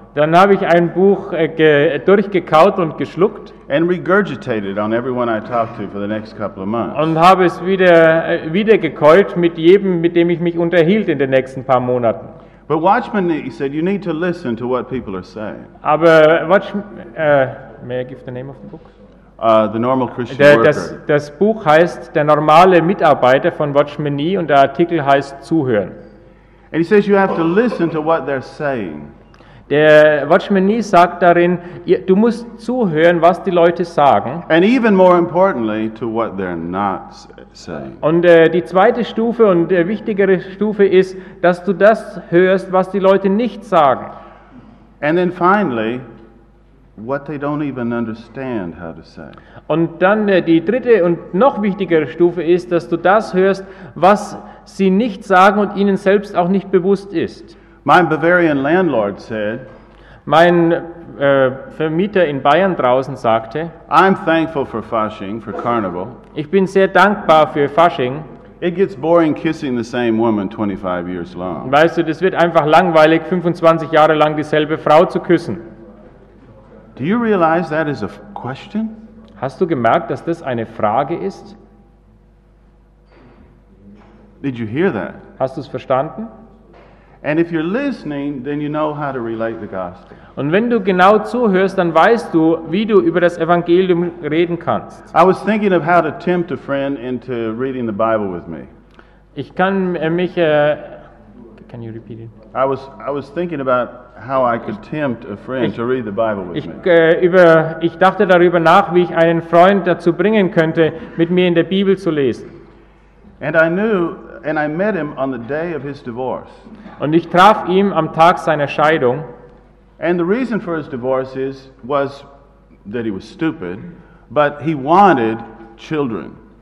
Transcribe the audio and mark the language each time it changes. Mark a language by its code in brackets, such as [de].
[de] Dann habe ich ein Buch durchgekaut und geschluckt. [en] And regurgitated on everyone I talked to for the next couple of months. [de] Und habe es wieder gekeult mit jedem, mit dem ich mich unterhielt in den nächsten paar Monaten. [en] But Watchman Nee said you need to listen to what people are saying. [de] Aber [en] may I give the name of the book? The Normal Christian Worker. [de] Das Buch heißt Der normale Mitarbeiter von Watchman Nee und der Artikel heißt Zuhören. [en] And he says you have to listen to what they're saying. [de] Der Watchman Nee sagt darin, du musst zuhören, was die Leute sagen. [en] And even more importantly, to what they're not saying. [de] Und die zweite Stufe und die wichtigere Stufe ist, dass du das hörst, was die Leute nicht sagen. [en] And then finally, what they don't even understand how to say. [de] Und dann die dritte und noch wichtigere Stufe ist, dass du das hörst, was sie nicht sagen und ihnen selbst auch nicht bewusst ist. [en] My Bavarian landlord said, [de] mein Vermieter in Bayern draußen sagte, [en] I'm thankful for Fasching, for Carnival. [de] Ich bin sehr dankbar für Fasching. [en] It gets boring kissing the same woman 25 years long. [de] Weißt du, das wird einfach langweilig, 25 Jahre lang dieselbe Frau zu küssen. [en] Do you realize that is a question? [de] Hast du gemerkt, dass das eine Frage ist? [en] Did you hear that? [de] Hast du es verstanden? [en] And if you're listening, then you know how to relate the gospel. [de] Und wenn du genau zuhörst, dann weißt du, wie du über das Evangelium reden kannst. [en] I was thinking of how to tempt a friend into reading the Bible with me. [de] Ich kann mich [en] can you repeat it? I was thinking about how I could tempt a friend to read the Bible with me. [de] Ich dachte darüber nach, wie ich einen Freund dazu bringen könnte, mit mir in der Bibel zu lesen. [en] And I knew and I met him on the day of his divorce. [de] Und ich traf ihn am Tag seiner Scheidung. [en] And the reason for his divorce was that he was stupid, but he wanted children.